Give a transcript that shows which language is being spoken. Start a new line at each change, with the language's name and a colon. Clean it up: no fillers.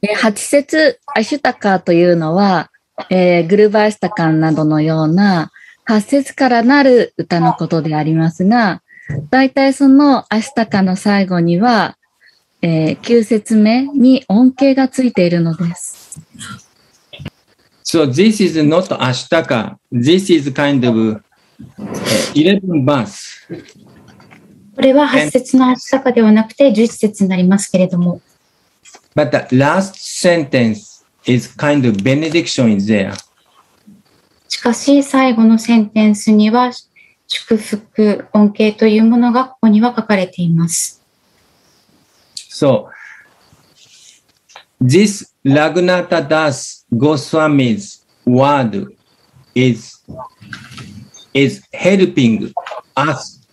Japanese: 8節、アシュタカというのは、グルバーシタカンなどのような8節からなる歌のことでありますが、だいたいそのアシュタカの最後には、9節目に音形がついているのです。
English: So this is not アシュタカ.This is kind of 11 verse.
Japanese: これは8節のアシュタカではなくて11節になりますけれども。
English: But the last sentence is kind of benediction is there.
Japanese: しかし最後のセンテンスには祝福、恩恵というものがここには書かれています。
English: So, this Raghunatha Das Goswami's word is helping us.